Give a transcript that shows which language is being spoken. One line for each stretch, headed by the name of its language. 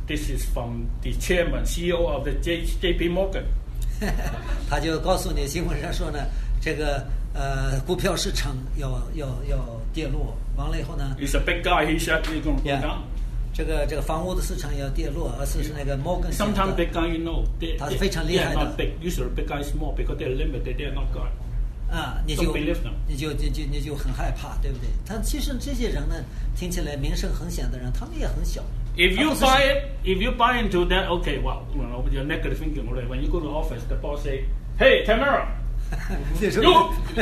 English: This is from the chairman, CEO of the J.P. Morgan.
Chinese: 他就告诉你新闻上说呢，这个股票市场要跌落。完了以后呢
English: ，He's a big guy. He said he's going to go down.
Chinese: Yeah, 这个房屋的市场要跌落，而是那个 Morgan.
English: Sometimes big guy, you know, they,
Chinese: 他是非常厉害的。
English: They are not big. Usually, big guy is small because they are limited. They are not God.
Chinese: 你就很害怕，对不对？但其实这些人呢，听起来名声很响的人，他们也很小。
English: If you buy into that, okay, well, you know, you're negative thinking already. When you go to the office, the boss say, "Hey, Tamara, you."